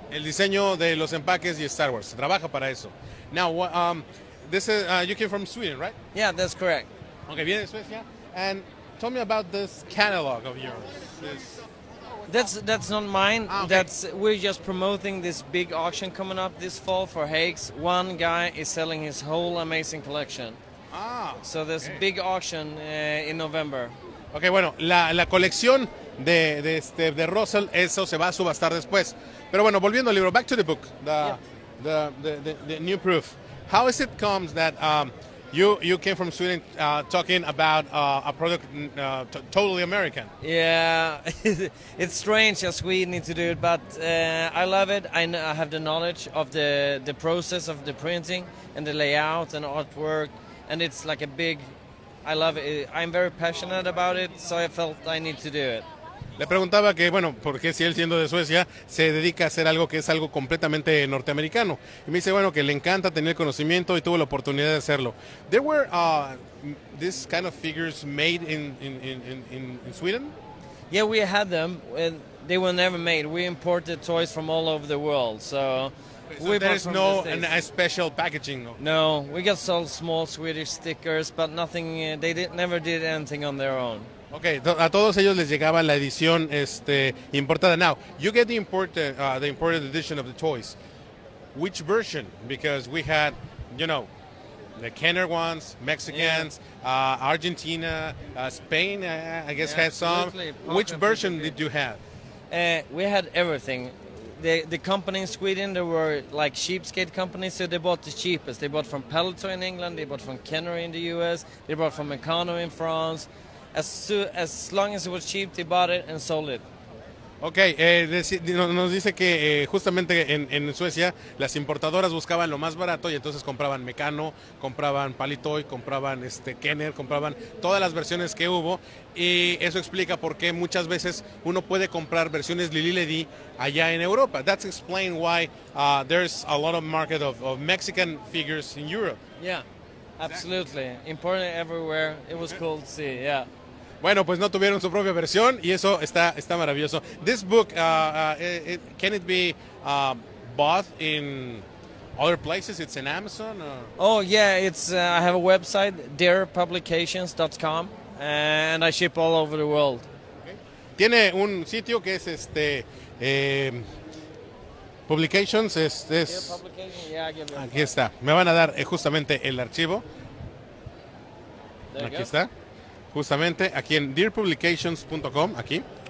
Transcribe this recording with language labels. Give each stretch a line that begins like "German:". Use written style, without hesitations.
Spanish: El diseño de los empaques y Star Wars. Trabaja para eso.
English: Now, this is you came from Sweden, right? Yeah, that's correct.
Spanish: Okay, viene de Suecia.
English: And tell me about this catalog of yours. This. That's not mine. Ah, okay. We're just promoting this big auction coming up this fall for Hakes. One guy is selling his whole amazing collection. Ah. So there's okay. A big auction in November.
Spanish: Okay, bueno, la colección de Russell, eso se va a subastar después. Pero bueno, volviendo al libro,
English: back to the book, the new proof. How is it comes that you came from Sweden talking about a product totally American. Yeah, it's strange that Sweden needs to do it, but I love it. I have the knowledge of the process of the printing and the layout and artwork, and it's like a big, I love it. I'm very passionate about it, so I felt I need to do it.
Spanish: Le preguntaba que, bueno, ¿por qué si él siendo de Suecia se dedica a hacer algo que es algo completamente norteamericano? Y me dice, bueno, que le encanta tener el conocimiento y tuvo la oportunidad de hacerlo.
English: There were this kind of figures made in Sweden? Yeah, we had them. They were never made. We imported toys from all over the world. So, okay, so there is no a special packaging? No, we got sold small Swedish stickers, but nothing, they never did anything on their own.
Spanish: Okay, a todos ellos les llegaba la edición importada.
English: Now, you get the imported edition of the toys. Which version? Because we had, you know, the Kenner ones, Mexicans, yeah. Argentina, Spain, I guess, yeah, had some. Which version did you have? We had everything. The company in Sweden, they were like cheapskate companies, so they bought the cheapest. They bought from Pelletier in England, they bought from Kenner in the US, they bought from Meccano in France. As long as it was cheap, they bought it and sold it.
Spanish: Okay, nos dice que justamente en Suecia las importadoras buscaban lo más barato y entonces compraban Meccano, compraban Palitoy, compraban Kenner, compraban todas las versiones que hubo, y eso explica por qué muchas veces uno puede comprar versiones Lili Ledi allá en Europa.
English: That's explain why there's a lot of market of Mexican figures in Europe. Yeah. Absolutely. Important everywhere. It was cool to see. Yeah.
Spanish: Bueno, pues no tuvieron su propia versión y eso está maravilloso.
English: This book can it be bought in other places? It's in Amazon. Oh yeah, it's I have a website, darepublications.com, and I ship all over the world. Okay.
Spanish: Tiene un sitio que es Publications, es aquí está. Me van a dar justamente el archivo. Aquí está. Justamente aquí en dearpublications.com, aquí.